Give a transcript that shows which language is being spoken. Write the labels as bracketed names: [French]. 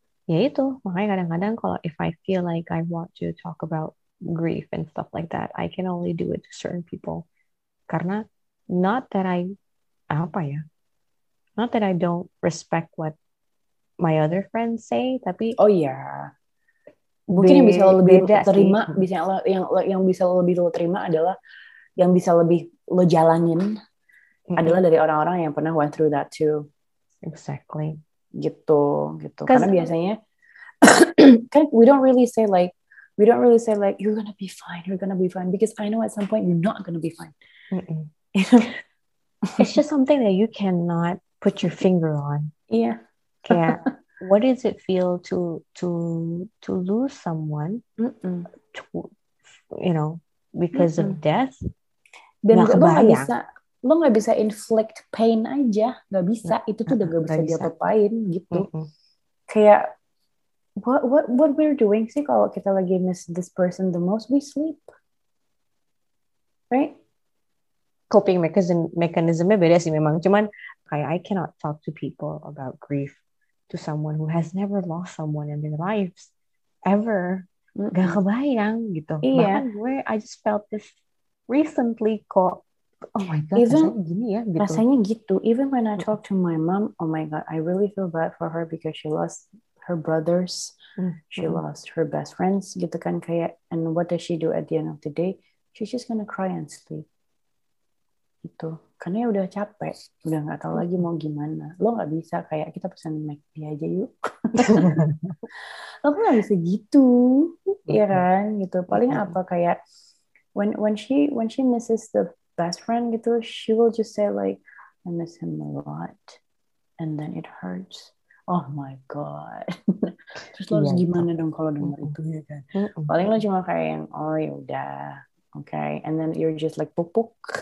[Indonesian] Ya itu makanya kadang-kadang kalau [English] if I feel like I want to talk about grief and stuff like that, I can only do it to certain people. [Indonesian] Karena [English] not that I [Indonesian] apa ya, [English] not that I don't respect what my other friends say, [Indonesian] tapi oh ya yeah. mungkin yang bisa lo lebih terima sih. Bisa yang bisa lo lebih lo terima adalah yang bisa lebih lo jalanin mm-hmm. adalah dari orang-orang yang pernah [English] went through that too. Exactly. [Indonesian] Gitu. Karena [English] biasanya, we don't really say like you're gonna be fine because I know at some point you're not gonna be fine. It's just something that you cannot put your finger on. Yeah. [Indonesian] Kayak, [English] what does it feel to lose someone, to, you know, because of death? [Indonesian] Dan gak kebayang. Lo gak bisa [English] inflict pain [Indonesian] aja. Gak bisa. Itu tuh udah gak bisa diapa-apain gitu. Kayak, [English] what we're doing [Indonesian] sih kalau kita lagi [English] miss this person the most? We sleep. Right? [Indonesian] Coping mechanism-nya beda sih memang. Cuman, kayak [English] I cannot talk to people about grief to someone who has never lost someone in their lives. Ever. [Indonesian] Mm-hmm. Gak kebayang gitu. Iya. Bahkan gue, [English] I just felt this recently [Indonesian] kok, [English] oh my god, even, [Indonesian] rasanya gini ya gitu. Rasanya gitu. [English] Even when I talk to my mom, oh my god, I really feel bad for her because she lost her brothers, she lost her best friends [Indonesian] gitu kan, kayak, [English] and what does she do at the end of the day? She's just gonna cry and sleep [Indonesian] gitu, karena ya udah capek, udah gak tahu lagi mau gimana. Lo gak bisa kayak, kita pesan McD aja yuk. Lo kan gak bisa gitu, iya kan gitu. Paling apa kayak [English] When she misses the best friend [Indonesian] gitu, [English] she will just say like, I miss him a lot, and then it hurts. Oh my god. [Indonesian] Terus lo harus gimana dong kalau dengar itu ya kan? Paling lo cuma kayak yang, oh yaudah, [English] okay, and then you're just like [Indonesian] pupuk.